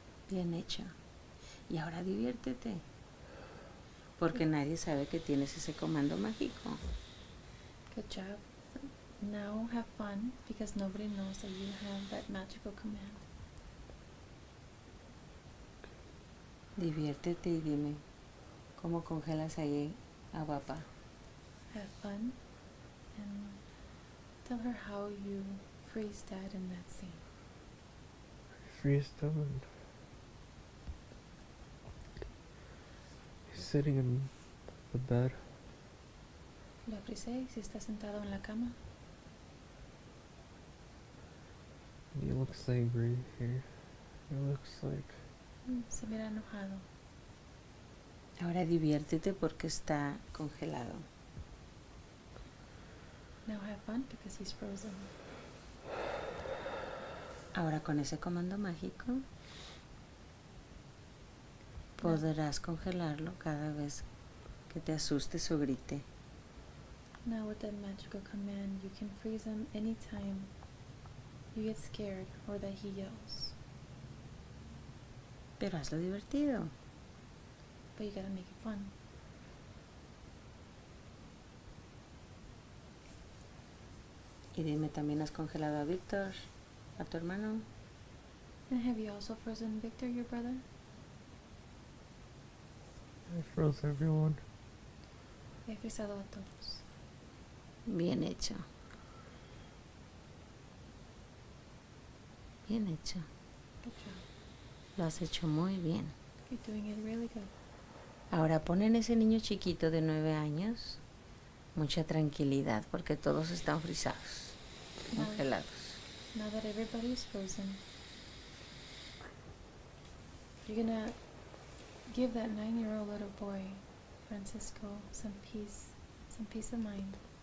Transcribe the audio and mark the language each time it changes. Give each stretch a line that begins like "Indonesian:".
Spanish: Bien hecho. Y ahora diviértete. Porque yeah. Nadie sabe que tienes ese comando mágico.
English: Good job. Now have fun because nobody knows that you have that magical command.
Spanish: Diviértete y dime cómo congelas ahí a papá.
English: Have fun and tell her how you freeze dad in that scene. Freeze him and he's sitting in the bed.
Spanish: Lo frisé y si está sentado en la cama.
English: He looks angry here. He looks like
Spanish: se mira enojado. Ahora diviértete porque está congelado.
English: Now have fun because he's frozen.
Spanish: Ahora con ese comando mágico podrás congelarlo cada vez que te asustes o grite.
English: Now with that magical command you can freeze him anytime you get scared or that he yells.
Spanish: Pero hazlo divertido.
English: But you gotta make it fun.
Spanish: Y dime, ¿también has congelado a Víctor, a tu hermano?
English: And have you also frozen Victor, your brother? I froze everyone.
Spanish: He frisado a todos. Bien hecho. Bien hecho.
English: Good job.
Spanish: Lo has hecho muy bien.
English: You're doing it really good.
Spanish: Ahora ponen ese niño chiquito de 9 años mucha tranquilidad porque todos están frisados.
English: Now that everybody is frozen, you're gonna give that 9-year-old little boy, Francisco, some peace of mind.